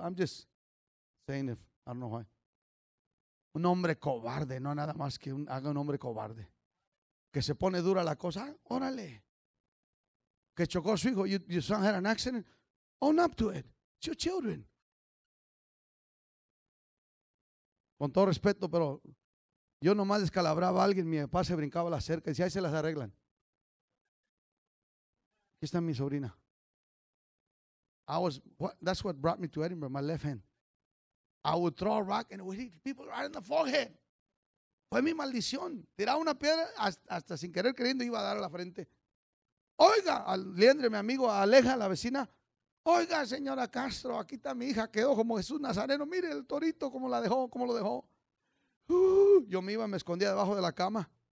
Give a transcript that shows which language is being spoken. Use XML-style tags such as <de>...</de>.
<en>I'm just saying if I don't know why.</en> <es>Un hombre cobarde, no hay nada más que haga un hombre cobarde. Que se pone dura la cosa, órale. Que chocó a su hijo,</es> <en>your son had an accident. Own up to it. It's your children.</en> <es>Con todo respeto, pero... yo nomás descalabraba a alguien, mi papá se brincaba a la cerca y decía, ahí se las arreglan. Aquí está mi sobrina.</es> <en>That's what brought me to Edinburgh, my left hand. I would throw a rock and it would hit people right in the forehead.</en> <es>Fue mi maldición. Tiraba una piedra hasta sin querer queriendo iba a dar a la frente. Oiga, al Leandre, mi amigo, aleja a la vecina. Oiga, señora Castro, aquí está mi hija, quedó como Jesús Nazareno. Mire el torito cómo la dejó, cómo lo dejó. Yo me iba, me escondía debajo de la cama.</es>